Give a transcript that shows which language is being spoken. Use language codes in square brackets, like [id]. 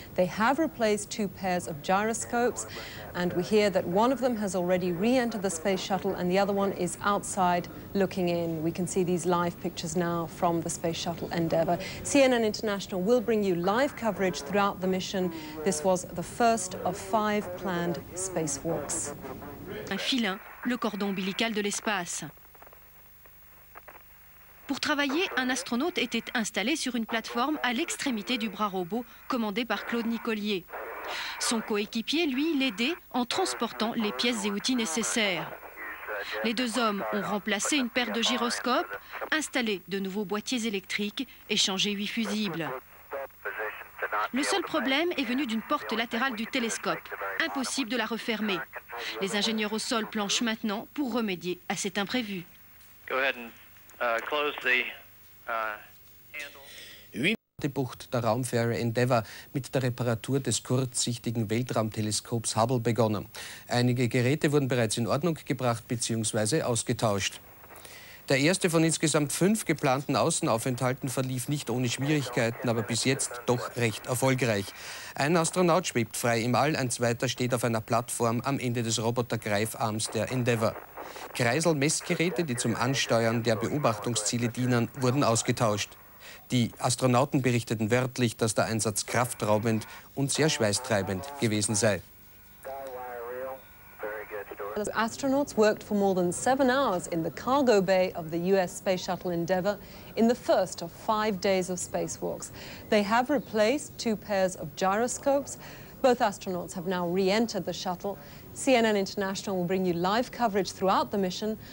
[en] They have replaced two pairs of gyroscopes, and we hear that one of them has already re-entered the space shuttle and the other one is outside looking in. We can see these live pictures now from the Space Shuttle Endeavour. CNN International will bring you live coverage throughout the mission. This was the first of five planned spacewalks. [fr] Un filin, le cordon ombilical de l'espace. Pour travailler, un astronaute était installé sur une plateforme à l'extrémité du bras robot commandé par Claude Nicollier. Son coéquipier, lui, l'aidait en transportant les pièces et outils nécessaires. Les deux hommes ont remplacé une paire de gyroscopes, installé de nouveaux boîtiers électriques et changé 8 fusibles. Le seul problème est venu d'une porte latérale du télescope. Impossible de la refermer. Les ingénieurs au sol planchent maintenant pour remédier à cet imprévu. [en] Go ahead and close the handle. [de] Bucht der Raumfähre Endeavour mit der Reparatur des kurzsichtigen Weltraumteleskops Hubble begonnen. Einige Geräte wurden bereits in Ordnung gebracht bzw. ausgetauscht. Der erste von insgesamt 5 geplanten Außenaufenthalten verlief nicht ohne Schwierigkeiten, aber bis jetzt doch recht erfolgreich. Ein Astronaut schwebt frei im All, ein zweiter steht auf einer Plattform am Ende des Robotergreifarms der Endeavour. Kreisel-Messgeräte, die zum Ansteuern der Beobachtungsziele dienen, wurden ausgetauscht. Die Astronauten berichteten wörtlich, dass der Einsatz kraftraubend und sehr schweißtreibend gewesen sei. [en] The astronauts worked for more than 7 hours in the cargo bay of the U.S. Space Shuttle Endeavour in the first of 5 days of spacewalks. They have replaced two pairs of gyroscopes. Both astronauts have now re-entered the shuttle. CNN International will bring you live coverage throughout the mission.